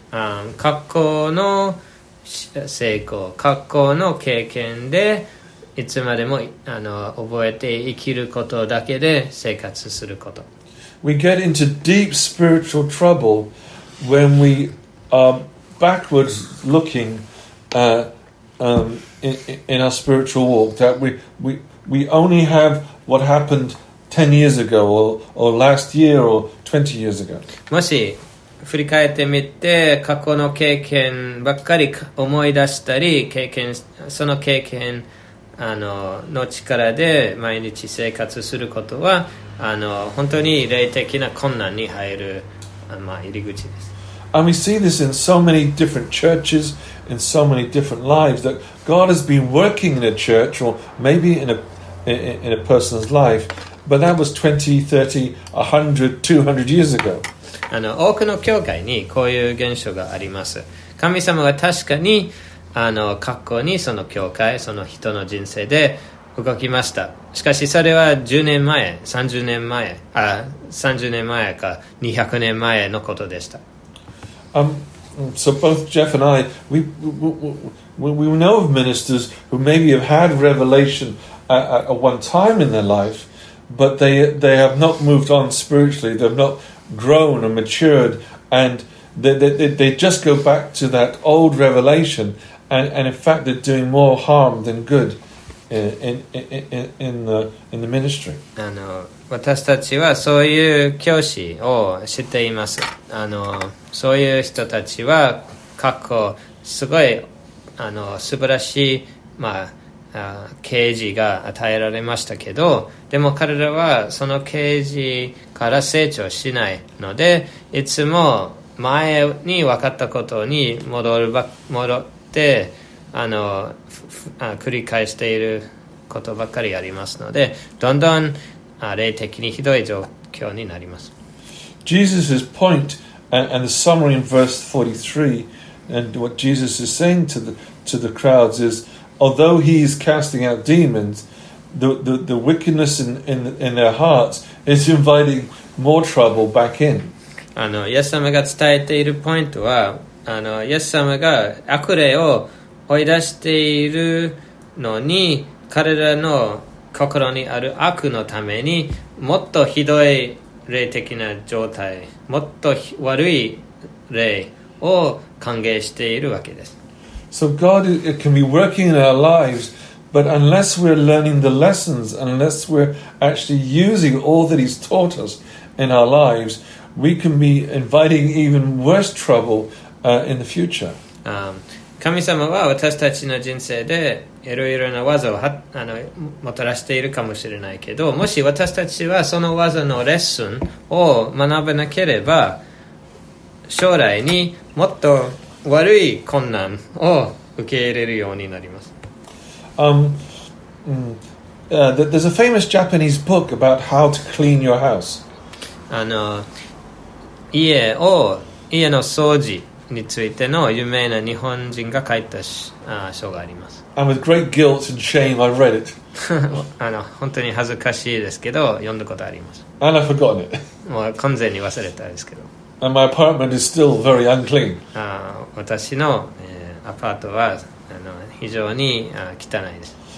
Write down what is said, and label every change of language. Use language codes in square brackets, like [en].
[ja] 過去の成功、過去の経験でいつまでも覚えて生きることだけで生活すること。 [en] We get into deep spiritual trouble when we are backwards looking in our spiritual walk, that we only have what happened 10 years ago or last year or 20 years ago. [ja] もし振り返ってみて過去の経験ばっかり思い出したり、その経験の力で毎日生活することは本当に霊的な困難に入る入り口です。 [en] And we see this in so many different churches, in so many different lives, that God has been working in a church, or maybe in a person's life, but that was 20, 30, 100, 200 years ago. [ja] 多くの教会にこういう現象があります。神様が確かに過去にその教会、その人の人生で動きました。しかしそれは10年前、30年前、30年前か200年前のことでした。 [en] So both Jeff and I, we know of ministers who maybe have had revelation at one time in their life, but they have not moved on spiritually. They've not grown and matured, and they just go back to that old revelation, and in fact they're doing more harm than good in the ministry. [ja] あの私たちはそういう教師を知っています。あのそういう人たちは過去すごいあの素晴らしいまあ。啓示が与えられましたけど、でも彼らはその啓示から成長しないので、いつも前に分かったことに戻って繰り返していることばかりありますので、どんどん霊的にひどい状況になります。 [en] Jesus' point and the summary in verse 43 and what Jesus is saying to the crowds isAlthough he is casting out demons, the wickedness in their hearts is inviting more trouble back in. [ja] あの、イエス様が伝えているポイントは、あの、イエス様が悪霊を追い出しているのに、彼らの心にある悪のためにもっとひどい霊的な状態、もっと悪い霊を歓迎しているわけです。 [en] So God can be working in our lives, but unless we're learning the lessons, unless we're actually using all that He's taught us in our lives, we can be inviting even worse trouble in the future. [ja] 神様は私たちの人生でいろいろな技をあの、もたらしているかもしれないけど、もし私たちはその技のレッスンを学べなければ、将来にもっと悪い困難を受け入れるようになります。 [en] There's a famous Japanese book about how to clean your house. [ja] あの、家の掃除についての有名な日本人が書いた書があります。 [en] And with great guilt and shame, I read it. [ja] あの、本当に恥ずかしいですけど、読んだことあります。 [en] And I've forgotten it. [ja] もう完全に忘れたんですけど。 [en] And my apartment is still very unclean. [ja] 私の、アパートはあの非常に汚いです。